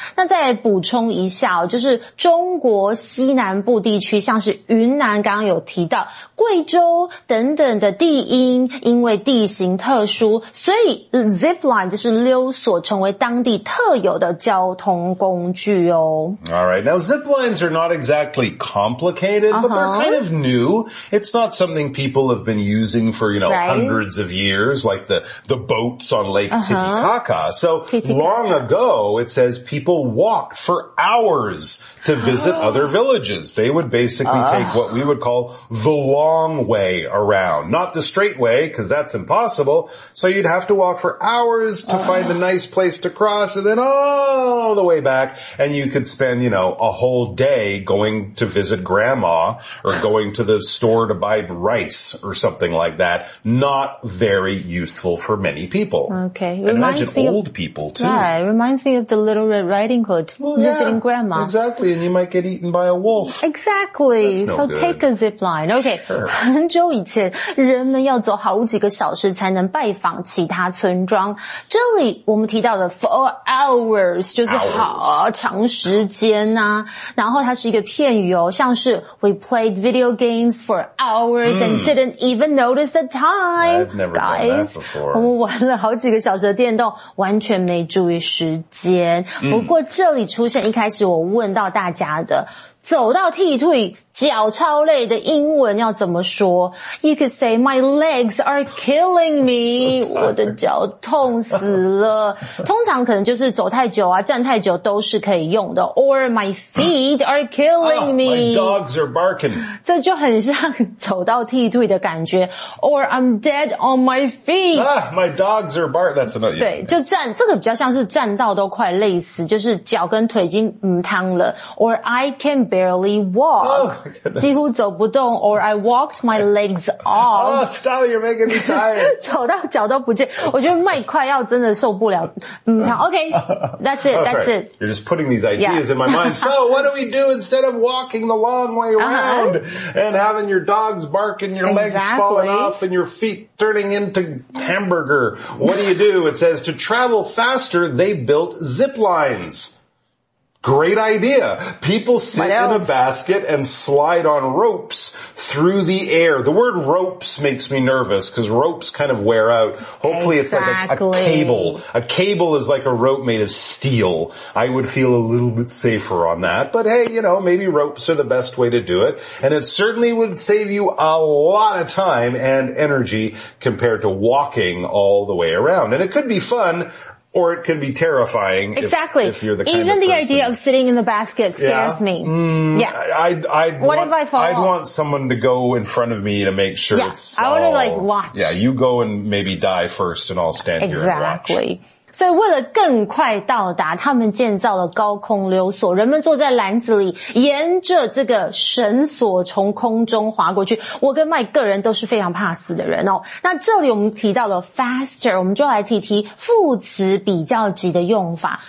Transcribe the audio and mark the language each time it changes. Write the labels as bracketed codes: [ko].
[zh] 那再补充一下，就是中国西南部地区，像是云南刚刚有提到，贵州等等的地音，因为地形特殊，所以 zip line 就是溜索，成为当地特有的交通工具哦。 [en] All right, now zip lines are not exactly complicated, but they're kind of new. It's not something people have been using for, you know, hundreds of years, like the boats on Lake Titicaca. So long ago, it says people walked for hours to visit other villages. They would basically take what we would call the long way around, not the straight way, because that's impossible. So you'd have to walk for hours to find a nice place to cross and then all the way back. And you could spend, you know, a whole day going to visit grandma or going to the store to buy rice or something like that. Not very useful for many people. Okay. Imagine old people too. Yeah, it reminds me of the Little Red Riding Hood visiting grandma. Exactly. And you might get eaten by a wolf. Exactly. Take a zip line. Okay. Sure. [zh] 很久以前人们要走好几个小时才能拜访其他村庄。这里我们提到的 [en] for hours [zh] 就是好长时间啊。然后它是一个片语哦，像是 [en] we played video games for hours and didn't even notice the time. I've never done that before. [zh] 我们玩了好几个小时的电动，完全没注意时间。不过这里出现一开始我问到大家的走到踢腿脚超累的英文要怎么说？ [en] You could say my legs are killing me. [zh] 我的脚痛死了。通常可能就是走太久啊，站太久都是可以用的。 [en] Or my feet are killing me. My dogs are barking. [zh] 这就很像走到踢腿的感觉。 [en] Or I'm dead on my feet. My dogs are barking. That's another. [zh] 对，就站，这个比较像是站到都快累死，就是脚跟腿已经唔汤了。 [en] Or I can barely walk. Oh, [zh] 几乎走不动 [en] or I walked my legs off. Oh, stop, you're making me tired. [zh] 走到脚都不见，我觉得麦快要真的受不了。 [en] Okay, that's it, You're just putting these ideas in my mind. So what do we do instead of walking the long way around and having your dogs bark and your legs falling off and your feet turning into hamburger? What do you do? It says to travel faster, they built zip lines. Great idea. People sit in a basket and slide on ropes through the air. The word ropes makes me nervous because ropes kind of wear out. Hopefully it's like a cable. A cable is like a rope made of steel. I would feel a little bit safer on that. But hey, you know, maybe ropes are the best way to do it. And it certainly would save you a lot of time and energy compared to walking all the way around. And it could be fun. Or it could be terrifying. Exactly. If you're the kind of person. Even the idea of sitting in the basket scares me. I'd want someone to go in front of me to make sure I want to like watch. Yeah, you go and maybe die first and I'll stand here and watch. Exactly. [zh] 所以为了更快到达，他们建造了高空溜索，人们坐在篮子里，沿着这个绳索从空中滑过去。我跟麦个人都是非常怕死的人哦。那这里我们提到了 faster， 我们就来提提副词比较级的用法。